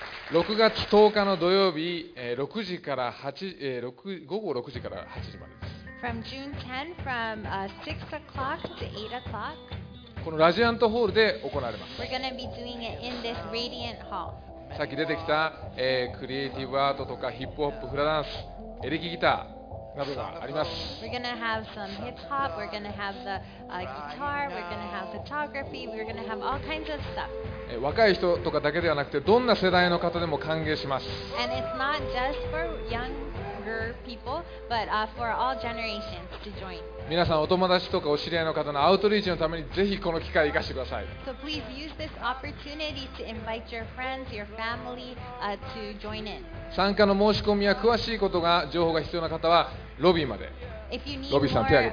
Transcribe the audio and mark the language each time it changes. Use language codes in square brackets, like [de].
[ja] 6月10日の土曜日、6時から8、午後6時から8時までです。 [en] From June 10, from 6 o'clock to 8 o'clock. [ja] このラジアントホールで行われます。 [en] We're going to be doing it in this Radiant Hall. [ja] さっき出てきた、クリエイティブアートとかヒップホップ、フラダンス、エレキギター。などがあります。 [en] We're gonna have some hip hop. We're gonna have the guitar. We're gonna have photography. We're gonna have all kinds of stuff. [ja] 若い人とかだけではなくて、どんな世代の方でも歓迎します。 [en] And it's not just for younger people, but for all generations to join. [ja] 皆さん、お友達とかお知り合いの方のアウトリーチのためにぜひこの機会を生かしてください。 [en] So please use this opportunity to invite your friends, your family, to join in. [ja] 参加の申し込みや詳しいことが情報が必要な方はロビーまで。ロビーさん、手を挙げて